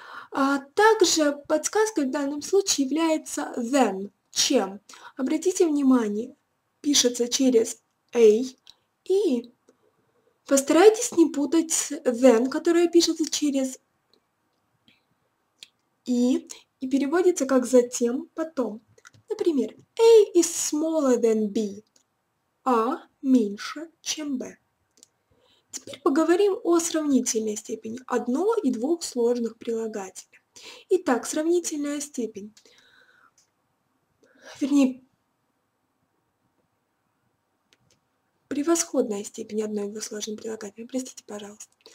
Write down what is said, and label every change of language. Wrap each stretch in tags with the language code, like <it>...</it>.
<ru>А также подсказкой в данном случае является than, чем. Обратите внимание, пишется через a, и постарайтесь не путать than, которое пишется через и переводится как затем, потом.</ru> <en>Например, A is smaller than B.</en> <ru>A меньше, чем B. Теперь поговорим о сравнительной степени одно и двух сложных прилагателя. Итак, сравнительная степень. Превосходная степень одно и двух сложных прилагателя. Простите, пожалуйста.</ru>